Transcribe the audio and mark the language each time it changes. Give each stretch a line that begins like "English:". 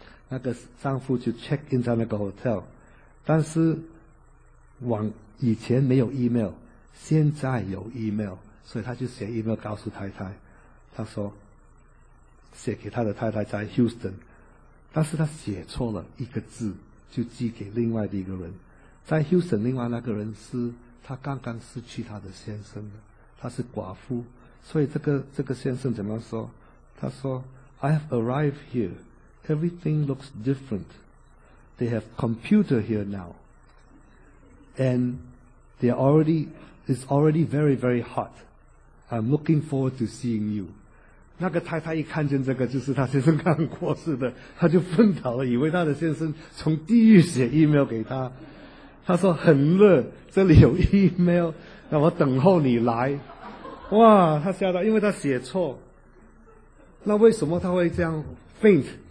Chinese: 那个丈夫就 check in 在那个 hotel， 但是往以前没有 email， 现在有 email， 所以他就写 email 告诉太太，他说写给他的太太在 Houston， 但是他写错了一个字，就寄给另外的一个人在 Houston。另外那个人是他刚刚失去他的先生的，他是寡妇。所以这个先生怎么说，他说
English: I have arrived here, everything looks different, they have computer here now and they are already, it's already very very hot, I'm looking forward to seeing you。
Chinese: 那个太太一看见这个，就是他先生刚过世的，他就奋倒了，以为他的先生从地狱写 email 给他。他说很热，这里有 email， 那我等候你来。哇，他吓到，因为他写错。那为什么他会这样 faint？